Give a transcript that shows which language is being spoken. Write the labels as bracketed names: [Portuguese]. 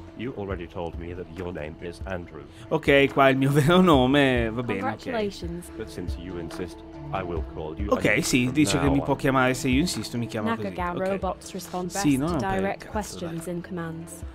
[English] You already told me that your name is Andrew. [Italian] Ok, qua è il mio vero nome, va bene. [English] Congratulations. Okay. But since you insist, I will call you. [Italian] Ok, sì, dice che mi può chiamare se io insisto, mi chiama così. [English] Okay. Robots respond best to direct questions and commands.